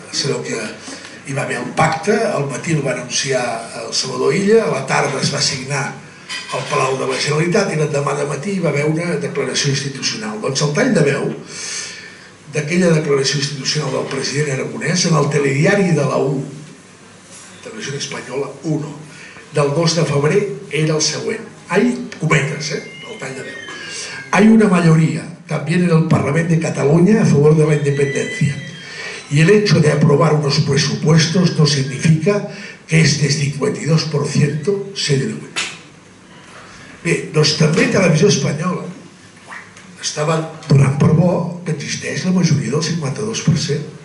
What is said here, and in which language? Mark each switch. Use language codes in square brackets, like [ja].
[ca] Sabeu que hi va haver un pacte, al matí el va anunciar el Salvador Illa, a la tarda es va signar al Palau de la Generalitat i l'endemà de matí va haver una declaració institucional. Doncs el tall de veu d'aquella declaració institucional del president Aragonès en el telediari de la U, Televisió Espanyola 1, del 2 de febrer era el següent. Ahí, cometes, el tall de veu. [es] Hay una mayoría, también en el Parlament de Catalunya, a favor de la independencia. Y el hecho de aprobar unos presupuestos no significa que este 52% se derrumbe. [ca] Bé, doncs també Televisió Espanyola estava donant per bo que existeix la majoria del 52%.